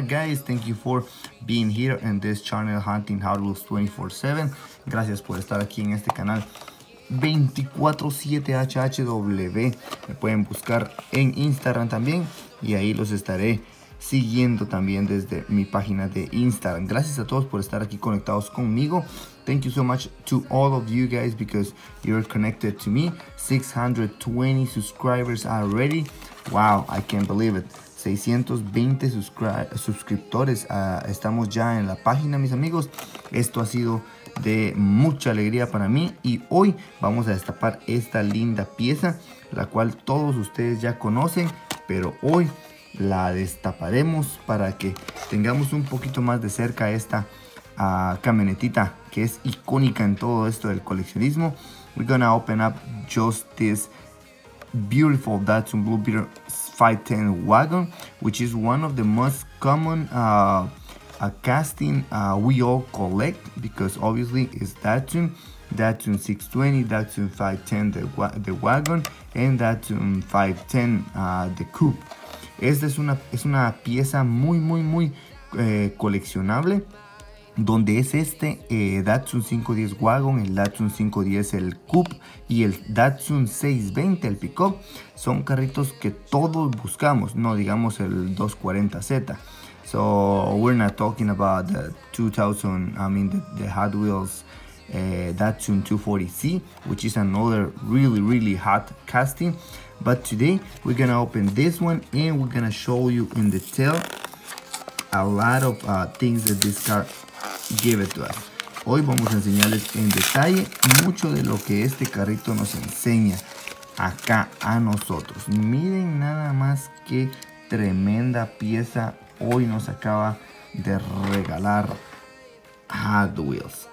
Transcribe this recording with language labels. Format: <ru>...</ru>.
<en>Guys, thank you for being here in this channel, Hunting Hard Wolves 24/7.</en> <es>Gracias por estar aquí en este canal 247HHW. Me pueden buscar en Instagram también y ahí los estaré siguiendo también desde mi página de Instagram. Gracias a todos por estar aquí conectados conmigo.</es> <en>Thank you so much to all of you guys because you're connected to me. 620 subscribers already. Wow, I can't believe it.</en> <es>620 suscriptores. Estamos ya en la página, mis amigos. Esto ha sido de mucha alegría para mí. Y hoy vamos a destapar esta linda pieza, la cual todos ustedes ya conocen, pero hoy la destaparemos para que tengamos un poquito más de cerca esta camionetita que es icónica en todo esto del coleccionismo.</es> <en>We're gonna open up just this beautiful Datsun Blue Beetle 510 wagon, which is one of the most common casting we all collect, because obviously it's Datsun. Datsun 620, Datsun 510 the wagon, and Datsun 510 the coupe.</en> <es>Esta es una pieza muy coleccionable, donde es este Datsun 510 Wagon, el Datsun 510 el Coupe y el Datsun 620 el Pickup. Son carritos que todos buscamos, no digamos el 240Z.</es> <en>So we're not talking about the 2000, I mean the Hot Wheels Datsun 240Z, which is another really really hot casting. But today we're gonna open this one and we're gonna show you in detail a lot of things that this car gives to us.</en> <es>Hoy vamos a enseñarles en detalle mucho de lo que este carrito nos enseña acá a nosotros. Miren nada más qué tremenda pieza hoy nos acaba de regalar Hot Wheels.</es>